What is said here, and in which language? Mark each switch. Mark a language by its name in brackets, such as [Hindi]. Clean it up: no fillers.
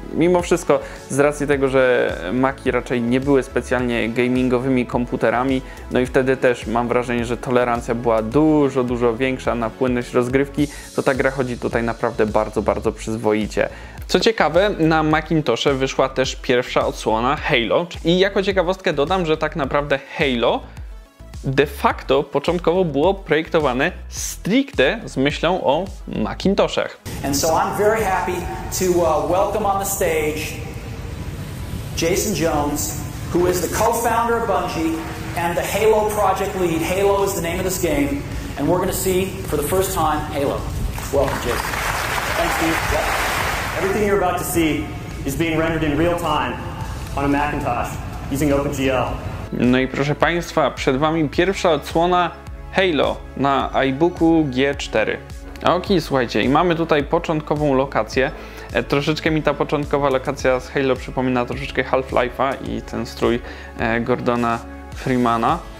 [Polish] Mimo wszystko, z racji tego, że Maci raczej nie były specjalnie gamingowymi komputerami, no i wtedy też mam wrażenie, że tolerancja była dużo, dużo większa na płynność rozgrywki, to ta gra chodzi tutaj naprawdę bardzo, bardzo przyzwoicie. Co ciekawe, na Macintosze wyszła też pierwsza odsłona Halo. I jako ciekawostkę dodam, że tak naprawdę Halo de facto początkowo było projektowane stricte z myślą o Macintoszach. [English] And so I'm very happy to welcome on the stage Jason Jones, who is the co-founder of Bungie and the Halo project lead. Halo is the name of this game and we're going to see for the first time Halo. Welcome, Jason. Thanks, Steve. Everything you're about to see is being rendered in real time on a Macintosh using OpenGL. [Polish] No i proszę Państwa, przed Wami pierwsza odsłona Halo na iBooku G4. Okej, słuchajcie, i mamy tutaj początkową lokację. Troszeczkę mi ta początkowa lokacja z Halo przypomina troszeczkę Half-Life'a i ten strój Gordona Freemana.